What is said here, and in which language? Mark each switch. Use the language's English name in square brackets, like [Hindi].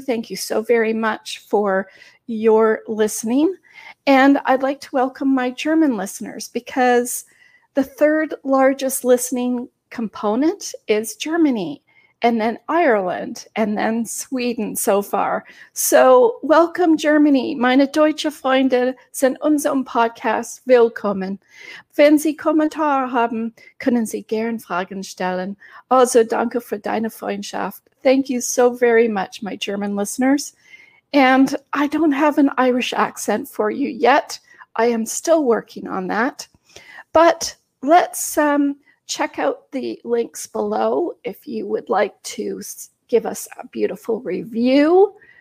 [English] Thank you so very much for your listening. And I'd like to welcome my German listeners, because the third largest listening component is Germany, and then Ireland, and then Sweden so far. So welcome, Germany. [German] Meine deutsche Freunde sind unserem Podcast willkommen. Wenn Sie Kommentare haben, können Sie gern Fragen stellen. Also danke für deine Freundschaft. [English] Thank you so very much, my German listeners. And I don't have an Irish accent for you yet. I am still working on that. But let's check out the links below if you would like to give us a beautiful review.